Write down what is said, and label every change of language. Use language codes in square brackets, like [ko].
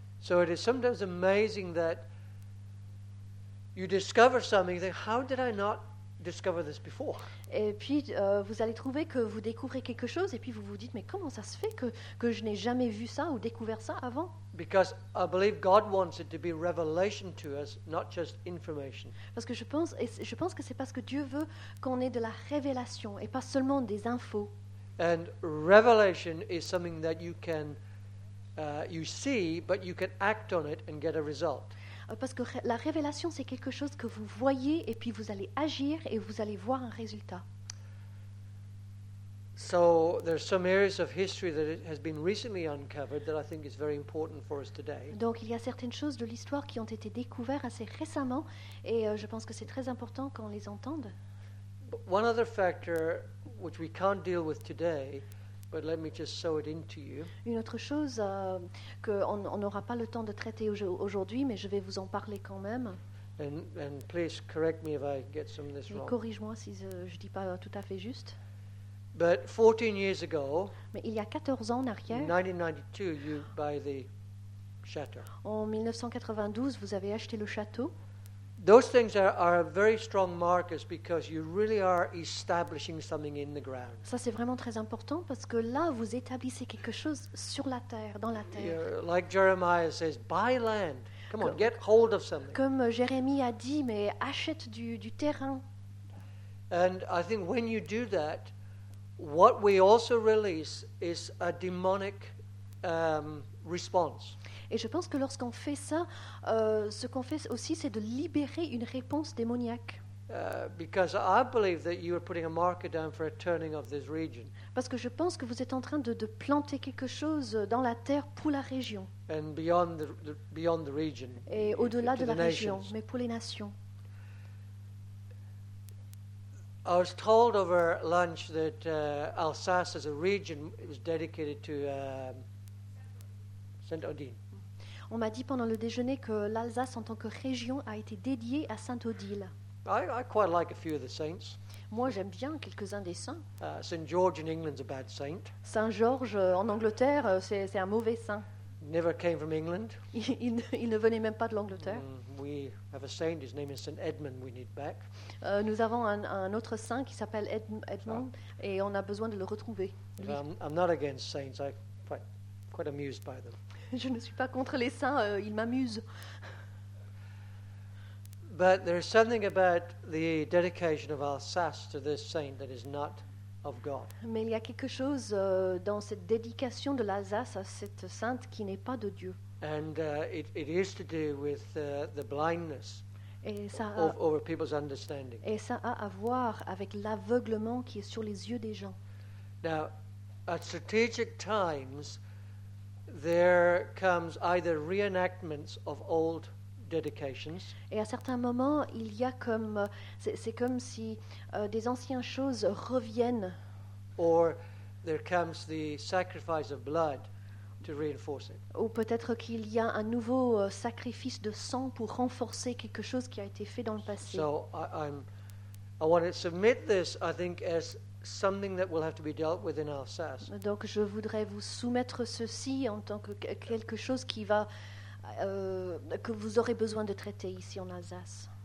[en] So it is sometimes amazing that you discover something, you think, how did I not discover this before? [fr] Et puis vous allez trouver que vous découvrez quelque chose et puis vous vous dites, mais comment ça se fait que je n'ai jamais vu ça ou découvert ça avant? [en] Because I believe God wants it to be revelation to us, not just information. [fr] Parce que je pense que c'est parce que Dieu veut qu'on ait de la révélation et pas seulement des infos. [en] And revelation is something that you can you see, but you can act on it and get a result. [fr] Parce que la révélation, c'est quelque chose que vous voyez et puis vous allez agir et vous allez voir un résultat. [en] So there are some areas of history that has been recently uncovered that I think is very important for us today. [fr] Donc il y a certaines choses de l'histoire qui ont été découvertes assez récemment et je pense que c'est très important qu'on les entende. [en] But one other factor which we can't deal with today, but let me just sow it into you. [fr] Une autre chose qu'on n'aura pas le temps de traiter aujourd'hui, mais je vais vous en parler quand même. [en] And please correct me if I get some of this wrong. [fr] Corrige-moi si je dis pas tout à fait juste. [en] But 14 years ago, [fr] mais il y a 14 ans en arrière, [en] 1992, you buy the chateau. [fr] En 1992, vous avez acheté le château. [en] Those things are very strong markers because you really are establishing something in the ground. [fr] Ça c'est vraiment très important parce que là vous établissez quelque chose sur la terre, dans la terre. [en] You're, like Jeremiah says, buy land. Come on, get hold of something. [fr] Comme Jérémie a dit, mais achète du terrain. [en] And I think when you do that, what we also release is a demonic response. [fr] Et je pense que lorsqu'on fait ça, ce qu'on fait aussi, c'est de libérer une réponse démoniaque. [en] Because I believe that you are putting a marker down for a turning of this region. [fr] Parce que je pense que vous êtes en train de planter quelque chose dans la terre pour la région. [en] And beyond the region. [fr] Et au-delà de la région, mais pour les nations. [en] I was told over lunch that Alsace as a region is dedicated to Saint-Odile. [fr] On m'a dit pendant le déjeuner que l'Alsace en tant que région a été dédiée à Saint-Odile. [en] I quite like a few of the saints. [fr] Moi j'aime bien quelques-uns des saints. [en] Saint George in England's a bad saint. [fr] Saint-Georges en Angleterre, c'est un mauvais saint. [en] Never came from England. [fr] Il ne venait même pas de l'Angleterre. [en] We have a saint, his name is Saint Edmund, we need back. [fr] Nous avons un autre saint qui s'appelle Edmund et on a besoin de le retrouver. [en] I'm not against saints, I'm quite amused by them. [fr] Je ne suis pas contre les saints, ils m'amusent. [en] But there is something about the dedication of Alsace to this saint that is not of God. [fr] Mais il y a quelque chose dans cette dédication de l'Alsace à cette sainte qui n'est pas de Dieu. [en] And it is to do with the blindness over people's understanding. [fr] Et ça a à voir avec l'aveuglement qui est sur les yeux des gens. [en] Now, at strategic times, there comes either reenactments of old dedications. [fr] Et à certains moments, il y a comme c'est comme si des anciennes choses reviennent. [en] Or there comes the sacrifice of blood to reinforce it. [fr] Ou peut-être qu'il y a un nouveau sacrifice de sang pour renforcer quelque chose qui a été fait dans le passé. [en] So I want to submit this, I think, as something that will have to be dealt with in Alsace. [fr] Donc je voudrais vous soumettre ceci en tant que quelque chose qui va que vous aurez besoin de traiter ici en Alsace.